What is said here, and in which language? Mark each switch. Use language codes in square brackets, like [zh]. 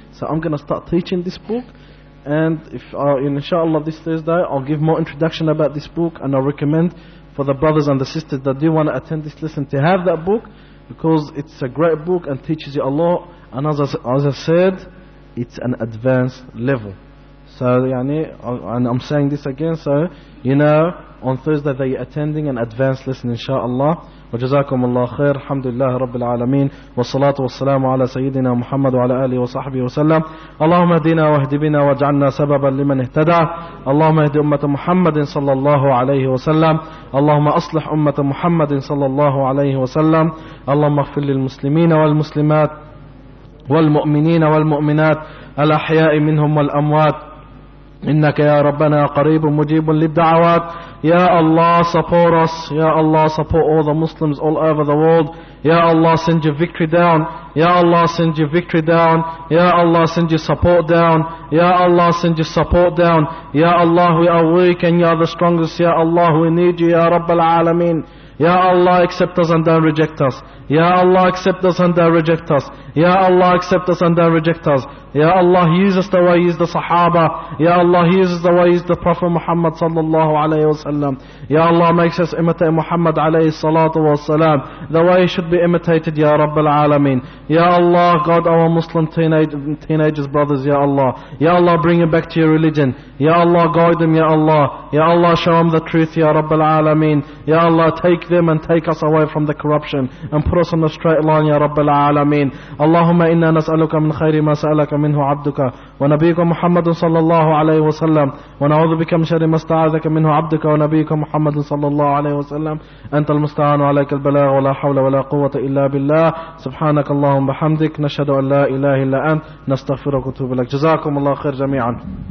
[en] So I'm going to start teaching this book. And if inshallah this Thursday, I'll give more introduction about this book, and I'll recommend for the brothers and the sisters that do want to attend this lesson to have that book, because it's a great book and teaches you a lot. And as I said, it's an advanced level. So I'm saying this again, so you know, on Thursday they are attending an advanced lesson inshallah. [ar] وجزاكم الله خير الحمد لله رب العالمين والصلاة والسلام على سيدنا محمد وعلى آله وصحبه وسلم. اللهم اهدنا واهد بنا واجعلنا سببا لمن اهتدى. اللهم اهد أمة محمد صلى الله عليه وسلم. اللهم أصلح أمة محمد صلى الله عليه وسلم. اللهم اغفر للمسلمين والمسلمات والمؤمنين والمؤمنات الأحياء منهم والأموات. إنك يا ربنا قريب مجيب للدعوات. [en] Ya Allah, support us. Ya Allah, support all the Muslims all over the world. Ya Allah, send your victory down. Ya Allah, send your victory down. Ya Allah, send your support down. Ya Allah, send your support down. Ya Allah, we are weak and you are the strongest. Ya Allah, we need you. Ya Rabbal Alameen. Ya Allah, accept us and don't reject us. Ya Allah, accept us and don't reject us. Ya Allah, accept us and don't reject us. Ya Allah, use us the way use the Sahaba. Ya Allah, use us the way use the Prophet Muhammad sallallahu alayhi wa sallam. Ya Allah, makes us imitate Muhammad alayhi salatu wa salam. The way he should be imitated, Ya Rabbil Alameen. Ya Allah, God, our Muslim teenagers, brothers, Ya Allah. Ya Allah, bring him back to your religion. Ya Allah, guide them, Ya Allah. Ya Allah, show them the truth, Ya Rabbil Alameen. Ya Allah, take them and take us away from the corruption and put us on the straight line, Ya Rabbil Alameen. [ar] Allahumma inna nas'aluka min khayri ma sa'alaka منه عبدك ونبيك محمد صلى الله عليه وسلم ونعوذ بك من شر ما استعاذك منه عبدك ونبيك محمد صلى الله عليه وسلم أنت المستعان عليك البلاغ ولا حول ولا قوة إلا بالله سبحانك اللهم بحمدك نشهد أن لا إله إلا أنت نستغفرك ونتوب إليك جزاكم الله خير جميعا.